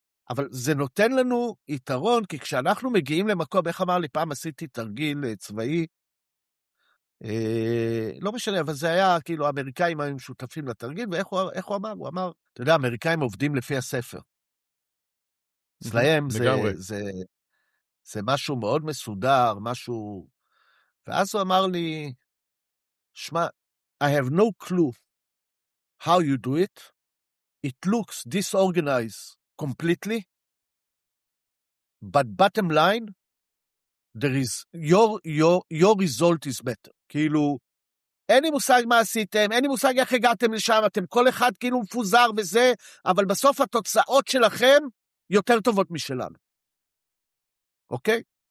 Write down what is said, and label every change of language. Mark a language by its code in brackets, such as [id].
[he] אבל זה נותן לנו יתרון, כי כשאנחנו מגיעים למקום, איך אמר לי, פעם עשיתי תרגיל צבאי, לא משנה, אבל זה היה כאילו, האמריקאים היו משותפים לתרגיל, ואיך הוא אמר? הוא אמר, אתה יודע, האמריקאים עובדים לפי הספר. אצלהם זה משהו מאוד מסודר, משהו... ואז הוא אמר לי, שמע, [en] I have no clue how you do it. It looks disorganized completely. But bottom line, there is your result is better. [he] כאילו, אין לי מושג מה עשיתם, אין לי מושג איך הגעתם לשם, אתם כל אחד כאילו מפוזר וזה, אבל בסוף התוצאות שלכם יותר טובות משלנו. אוקיי?